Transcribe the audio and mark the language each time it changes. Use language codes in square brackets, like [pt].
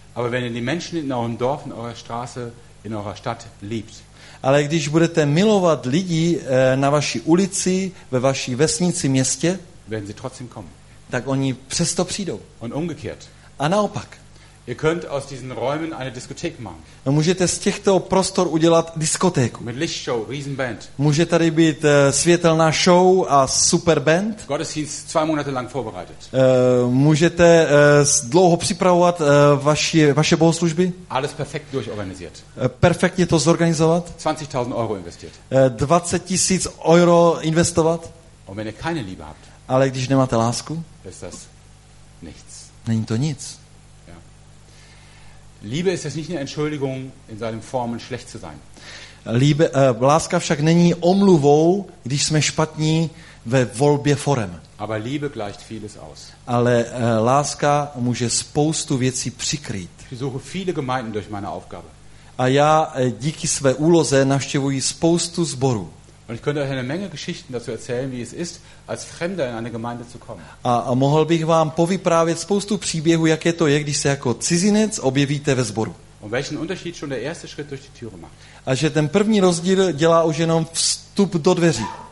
[de] Aber wenn ihr die Menschen in eurem Dorf, in eurer Straße, in eurer Stadt liebt. [cs] Ale když budete milovat lidi na vaší ulici, ve vaší vesnici, městě, [de] werden sie trotzdem kommen. [cs] Tak oni přesto přijdou. [de] Und umgekehrt. [cs] A naopak. [de] Ihr könnt aus diesen Räumen eine Diskothek machen. [cs] Můžete z těchto prostor udělat diskotéku. [de] Mit Lichtshow, Riesenband. [cs] Může tady být světelná show a superband. [de] Gottesdienst zwei Monate lang vorbereitet. [cs] Můžete dlouho připravovat vaše bohoslužby. [de] Alles perfekt durchorganisiert. [cs] Perfektně to zorganizovat. [de] 20.000 Euro investiert. [cs] 20 000 euro investovat. [de] Und wenn ihr keine Liebe habt. [cs] Ale když nemáte lásku. [de] Ist das nichts. [cs] Není to nic. [de] Liebe ist jetzt nicht eine Entschuldigung, in seinen Formen schlecht zu sein. [cs] Liebe, láska však není omluvou, když jsme špatní ve volbě forem. [de] Aber Liebe gleicht vieles aus. [cs] Ale láska může spoustu věcí přikrýt. [de] Ich suche viele Gemeinden durch meine Aufgabe. [cs] A já díky své úloze navštěvuji spoustu sborů. [de] Und ich könnte euch eine Menge Geschichten dazu erzählen, wie es ist, als Fremder in eine Gemeinde zu kommen. [cs] A mohl bych vám povyprávět spoustu příběhů, jaké to je, když se jako cizinec objevíte ve sboru. [de] Und welchen Unterschied schon der erste Schritt durch die Türe macht. [cs] A že ten první rozdíl dělá už jenom vstup do dveří.